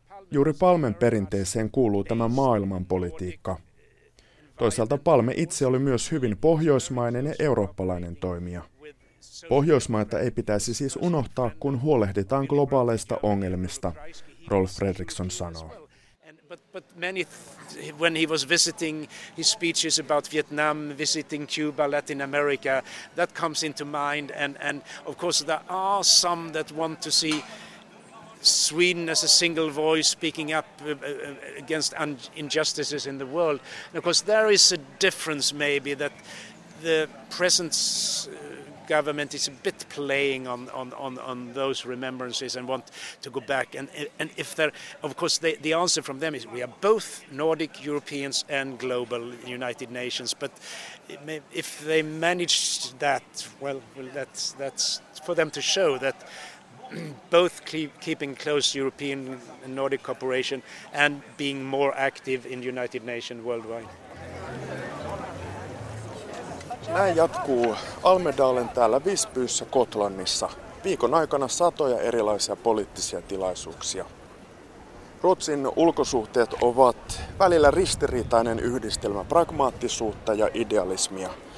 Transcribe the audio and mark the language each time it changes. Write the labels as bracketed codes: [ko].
[fi] Juuri Palmen perinteeseen kuuluu tämä maailmanpolitiikka. Toisaalta Palme itse oli myös hyvin pohjoismainen ja eurooppalainen toimija. Pohjoismaita ei pitäisi siis unohtaa, kun huolehditaan globaaleista ongelmista, Rolf Fredriksson sanoo. [en] But many when he was visiting his speeches about Vietnam, visiting Cuba, Latin America, that comes into mind, and of course there are some that want to see Sweden as a single voice speaking up against injustices in the world. And of course there is a difference maybe that the present government is a bit playing on those remembrances and want to go back and if they're of course the answer from them is we are both Nordic Europeans and global United Nations, but if they manage that well that's for them to show that both keeping close European and Nordic cooperation and being more active in United Nations worldwide. [fi] Näin jatkuu Almedalen täällä Visbyssä Gotlannissa. Viikon aikana satoja erilaisia poliittisia tilaisuuksia. Ruotsin ulkosuhteet ovat välillä ristiriitainen yhdistelmä pragmaattisuutta ja idealismia.